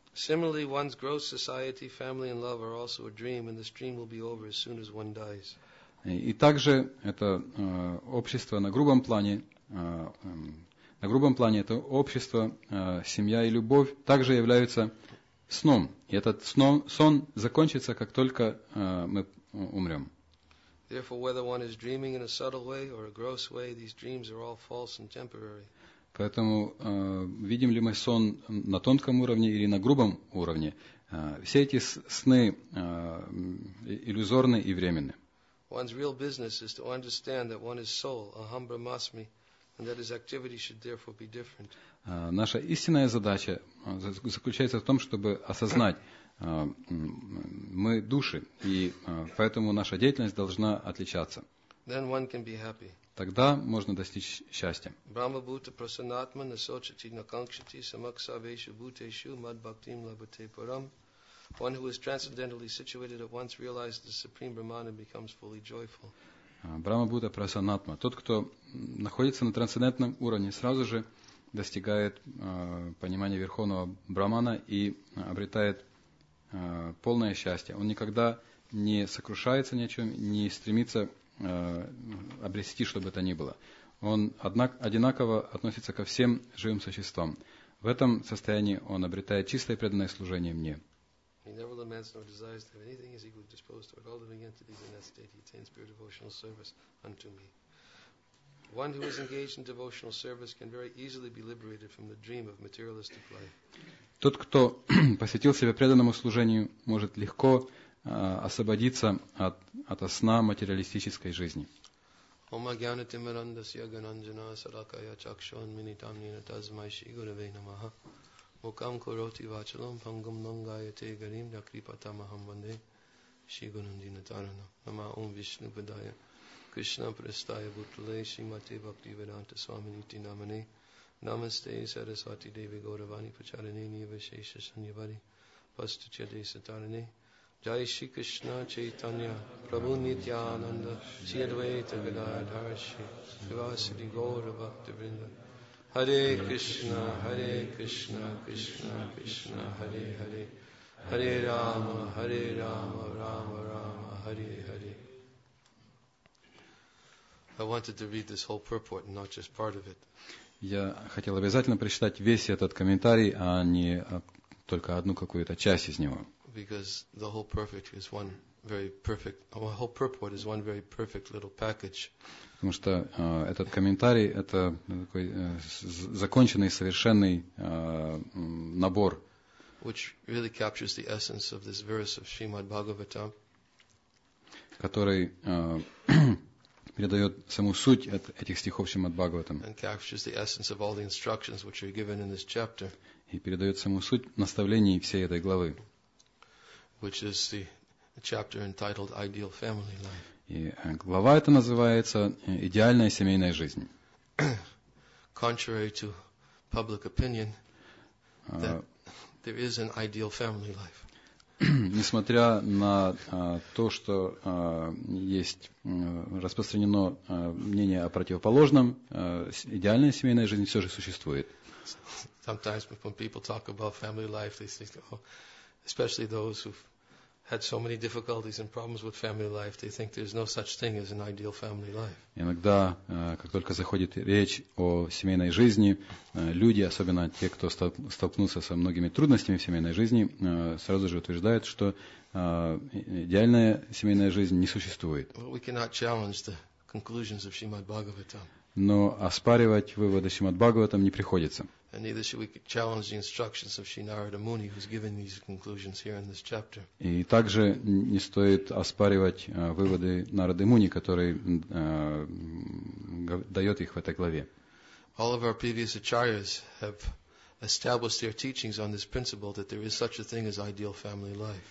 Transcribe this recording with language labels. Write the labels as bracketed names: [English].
[English] Similarly, one's gross society, family, and love are also a dream, and this dream will be over as soon as one dies. [Russian] И также это общество на грубом плане. На грубом плане это общество, семья и любовь также являются сном. И этот сон закончится, как только мы умрем. [English] Therefore, whether one is dreaming in a subtle way or a gross way, these dreams are all false and temporary. [Russian] Поэтому видим ли мы сон на тонком уровне или на грубом уровне, все эти сны иллюзорны и временны. [English] One's real business is to understand that one is soul, [Sanskrit] aham brahmasmi. [English] And that his activity should therefore be different. [Russian] Наша истинная задача заключается в том, чтобы осознать, мы души, и поэтому наша деятельность должна отличаться. [English] Then one can be happy. [Russian] Тогда можно достичь счастья. [Sanskrit] Brahma Bhuta Prasanatma Nasochati Nakankshati Samaksaveshu Bhuteshu Madbhaktim Labhate Param. [English] One who is transcendentally situated at once realizes the Supreme Brahman and becomes fully joyful. [Sanskrit] Брама Бхута Прасанатма. [Russian] Тот, кто находится на трансцендентном уровне, сразу же достигает понимания Верховного Брахмана и обретает полное счастье. Он никогда не сокрушается ни о чем, не стремится обрести, что бы то ни было. Он одинаково относится ко всем живым существам. В этом состоянии он обретает чистое преданное служение мне. [English] He never laments nor desires to have anything as equally disposed toward all living entities in that state. He attains pure devotional service unto me. One who is engaged in devotional service can very easily be liberated from the dream of materialistic life. [Russian] Тот, кто посвятил себя преданному служению, может легко освободиться от сна материалистической жизни. [Sanskrit] Ома гьянати мирандасья гананджана саракая чакшон минитам нина тазмай ши гуравей намаха. Mukam kuroti vachalam pangam nangayate garim nakripata maham vande shigunandina taranam nama om vishnu padaya krishna prastaya bhutale shimate bhakti vedanta swaminiti namane namaste sarasvati devi gauravani pacharane nivashesha sanyavari pastu chade satarane jai shri krishna chaitanya prabhu nityananda shri advaita gadadhar shri shivasati gauravakti vrinda Hare Krishna, Hare Krishna, Krishna Krishna, Hare Hare. Hare Rama, Hare Rama, Rama Rama, Hare Hare. [English] I wanted to read this whole purport, not just part of it. [Russian] Я хотел обязательно прочитать весь этот комментарий, а не только одну какую-то часть из него. [English] Because the whole purport is one very perfect, the whole purport is one very perfect little package. [Russian] Потому что этот комментарий – это такой законченный, совершенный набор, [English] which really captures the essence of this verse of Srimad Bhagavatam, [Russian] который передает саму суть этих стихов Шримад Бхагаватам, [English] and captures the essence of all the instructions which are given in this chapter, [Russian] и передает саму суть наставлений всей этой главы, [English] which is the chapter entitled Ideal Family Life. [Russian] И глава эта называется «Идеальная семейная жизнь». [English] Contrary to public opinion, there is an ideal family life. [Russian] Несмотря на то, что есть распространено мнение о противоположном, идеальная семейная жизнь все же существует. [English] Sometimes when people talk about family life, they think, oh, especially those who had so many difficulties and problems with family life, they think there's no such thing as an ideal family life. [Russian] Иногда, как только заходит речь о семейной жизни, люди, особенно те, кто столкнулся со многими трудностями в семейной жизни, сразу же утверждают, что идеальная семейная жизнь не существует. [English] But we cannot challenge the conclusions of Srimad Bhagavatam. [Russian] Но оспаривать выводы Шримад Бхагаватам не приходится. [English] And neither should we challenge the instructions of Sri Narada Muni, who's given these conclusions here in this chapter. [Russian] И также не стоит оспаривать выводы Нарады Муни, который дает их в этой главе. [English] All of our previous acharyas have established their teachings on this principle that there is such a thing as ideal family life.